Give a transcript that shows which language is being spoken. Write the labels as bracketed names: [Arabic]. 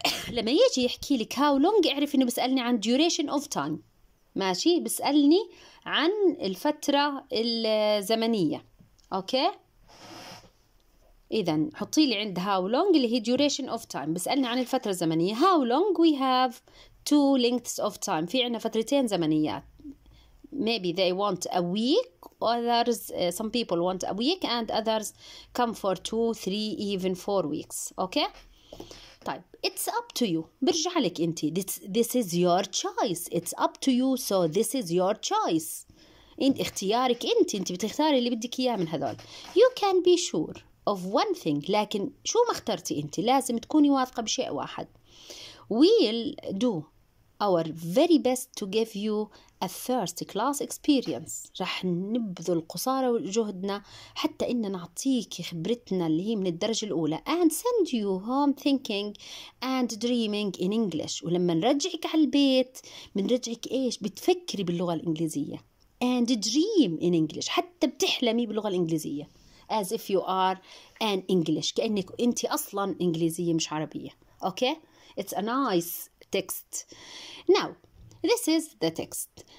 [Arabic] لما يجي يحكي لك [English] how long [Arabic] اعرف إنه بسألني عن [English] duration of time، [Arabic] ماشي، بسألني عن الفترة الزمنية. أوكي، إذن حطي لي عند [English] how long [Arabic] اللي هي [English] duration of time، [Arabic] بسألني عن الفترة الزمنية. [English] how long we have two lengths of time، [Arabic] في عنا فترتين زمنيات [English] maybe they want a week, others, some people want a week, and others come for 2, 3, even 4 weeks. Okay? طيب, it's up to you. [Arabic] برجع لك انت. [English] This is your choice. It's up to you, so this is your choice. [Arabic] انت اختيارك انت. انت بتختاري اللي بدك اياه من هذول. [English] You can be sure of one thing. [Arabic] لكن شو ما اخترتي انت, لازم تكوني واثقة بشيء واحد. [English] We'll do our very best to give you a first class experience. [Arabic] رح نبذل قصارى جهدنا حتى إن نعطيك خبرتنا اللي هي من الدرجة الأولى. [English] And send you home thinking and dreaming in English. [Arabic] ولما نرجعك على البيت منرجعك إيش؟ بتفكري باللغة الإنجليزية. [English] And dream in English. [Arabic] حتى بتحلمي باللغة الإنجليزية. [English] As if you are an English. [Arabic] كأنك أنت أصلا إنجليزية مش عربية. [English] Okay? It's a nice text. Now, this is the text.